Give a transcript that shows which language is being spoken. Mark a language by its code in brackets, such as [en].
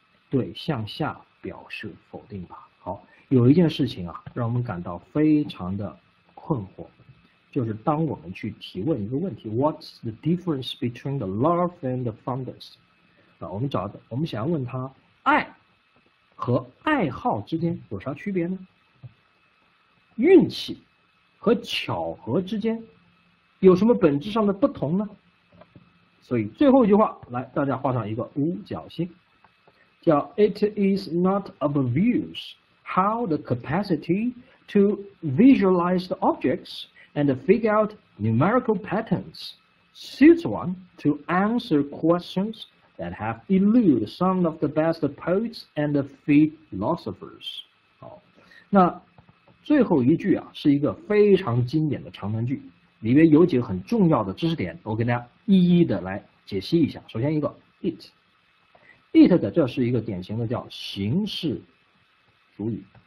[zh] 对，向下表示否定吧。好，有一件事情啊，让我们感到非常的困惑，就是当我们去提问一个问题， [en] What's the difference between the love and the fondness？ [zh] 啊，我们找的，我们想要问他，爱和爱好之间有啥区别呢？运气和巧合之间有什么本质上的不同呢？所以最后一句话，来，大家画上一个五角星，叫 [en] "It is not obvious how the capacity to visualize the objects and figure out numerical patterns suits one to answer questions that have eluded some of the best poets and philosophers." [zh] 好，那最后一句啊，是一个非常经典的长难句，里面有几个很重要的知识点，我给大家一一的来。解析一下，首先一个 it， it 的这是一个典型的叫形式主语。